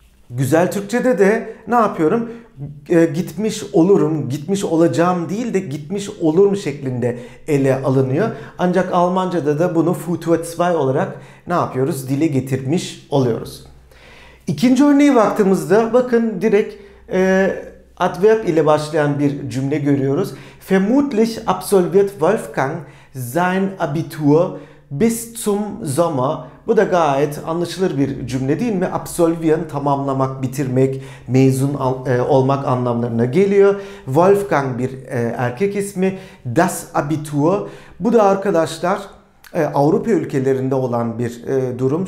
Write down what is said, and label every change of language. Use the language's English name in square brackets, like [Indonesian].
[Turkish] Güzel Türkçe'de de ne yapıyorum? Gitmiş olurum, gitmiş olacağım değil de gitmiş olurum şeklinde ele alınıyor. Ancak Almanca'da da bunu Futur 2 olarak ne yapıyoruz? Dile getirmiş oluyoruz. İkinci örneğe baktığımızda bakın direkt adverb ile başlayan bir cümle görüyoruz. [German] Vermutlich absolviert Wolfgang sein Abitur bis zum Sommer. [Turkish] Bu da gayet anlaşılır bir cümle değil mi? Absolvieren, tamamlamak, bitirmek, mezun olmak anlamlarına geliyor. Wolfgang bir erkek ismi. Das Abitur. Bu da arkadaşlar Avrupa ülkelerinde olan bir durum.